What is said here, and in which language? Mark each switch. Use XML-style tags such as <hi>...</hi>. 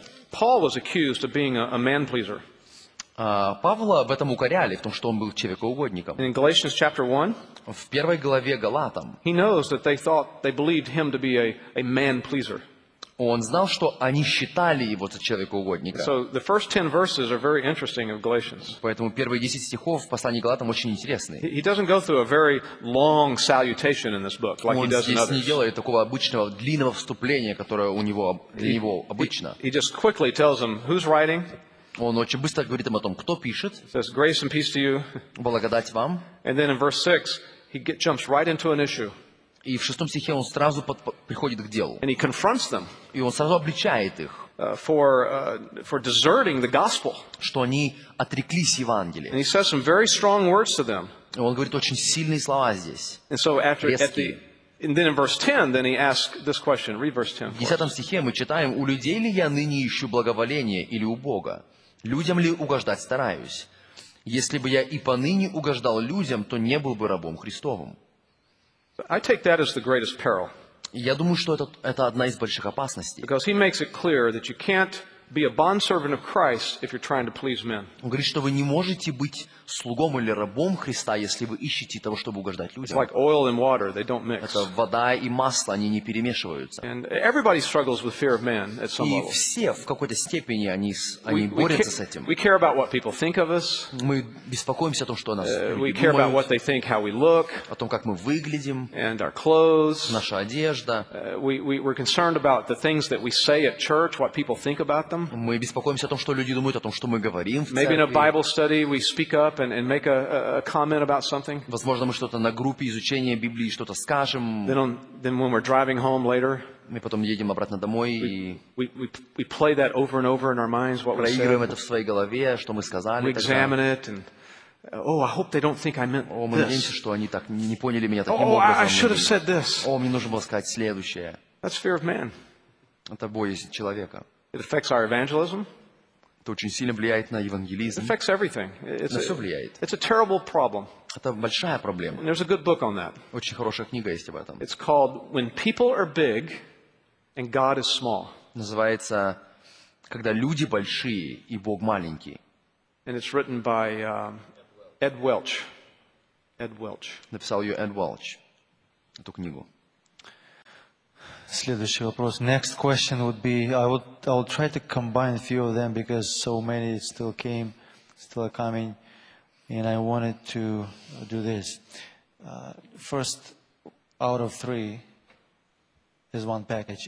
<en>Paul was accused of being a man-pleaser.</en> <ru>Павла в этом укоряли, в том, что он был человекоугодником.</ru> <en>In Galatians chapter 1,</en> <ru>в первой главе Галатам,</ru> <en>he knows that they thought, they believed him to be a man-pleaser.</en> <ru>Он знал, что они считали его за человекоугодника.</ru> <en>So the first 10 verses are very interesting of Galatians.</en> <ru>Поэтому первые 10 стихов в послании к Галатам очень интересные.</ru> <en>He doesn't go through a very long salutation in this book, like he does in others.</en> <ru>Он здесь не делает такого обычного длинного вступления, которое у него для него обычно.</ru> <en>He just quickly tells them who's writing.</en> <ru>Он очень быстро говорит им о том, кто пишет.</ru> <en>Says grace and peace to you.</en> <ru>Благодать вам.</ru> <en>And then in verse 6, he jumps right into an issue.</en> <ru>И в шестом стихе он сразу приходит к делу.</ru> <en>And he confronts them.</en> <ru>И он сразу обличает их.</ru> <en>For deserting the gospel.</en> <ru>Что они отреклись Евангелия.</ru> <en>And he says some very strong words to them.</en> <ru>И он говорит очень сильные слова здесь.</ru> <en>And so after, and then in verse 10, then he asks this question. Read verse 10.</en> <ru>В десятом стихе мы читаем: «У людей ли я ныне ищу благоволение или у Бога? Людям ли угождать стараюсь? Если бы я и поныне угождал людям, то не был бы рабом Христовым».</ru> <en>I take that as the greatest peril.</en> <ru>Я думаю, что это одна из больших опасностей.</ru> <en>Because he makes it clear that you can't be a bondservant of Christ if you're trying to please men.</en> <ru>Он говорит, что вы не можете быть слугом или рабом Христа, если вы ищете того, чтобы угождать людям.</ru> <en>It's like oil and water, they don't mix.</en> <ru>Это вода и масло, они не перемешиваются.</ru> <en>And everybody struggles with fear of man at some level.</en> <ru>И все в какой-то степени они борются с этим.</ru> <en>We care about what people think of us.</en> <ru>Мы беспокоимся о том, что о нас люди думают.</ru> <en>We care about what they think, how we look.</en> <ru>О том, как мы выглядим.</ru> <en>And our clothes.</en> <ru>Наша одежда.</ru> <en>We're concerned about the things that we say at church, what people think about them.</en> <ru>Мы беспокоимся о том, что люди думают о том, что мы говорим в церкви.</ru> <en>Maybe in a Bible study we speak up and make a comment about something.</en> <ru>Возможно, мы что-то на группе изучения Библии что-то скажем.</ru> <en>Then when we're driving home later,</en> <ru>мы потом едем обратно домой и</ru> <en>we play that over and over in our minds, what we said.</en> <ru>Проигрываем это в своей голове, что мы сказали.</ru> <en>We examine it and oh, I hope they don't think I meant this.</en> <ru>О, мы надеемся, что они так не поняли меня таким образом.</ru> <en>Oh, I should have said this.</en> <ru>О, мне нужно было сказать следующее.</ru> <en>That's fear of man.</en> <ru>Это боязнь человека.</ru> <en>It affects our evangelism.</en> <ru>Это очень сильно влияет на евангелизм.</ru> <en>It affects everything.</en> <ru>На все влияет.</ru> <en>It's a terrible problem.</en> <ru>Это большая проблема.</ru> <en>And there's a good book on that.</en> <ru>Очень хорошая книга есть об этом.</ru> <en>It's called When People Are Big and God Is Small.</en> <ru>Называется «Когда люди большие и Бог маленький».</ru> <en>And it's written by Ed Welch. Ed Welch.</en> <ru>Написал ее Эд Уэлч, эту книгу. Следующий вопрос.</ru> <en>Next question would be, I'll try to combine a few of them because so many still came, still are coming, and I wanted to do this. First out of three is one package.</en>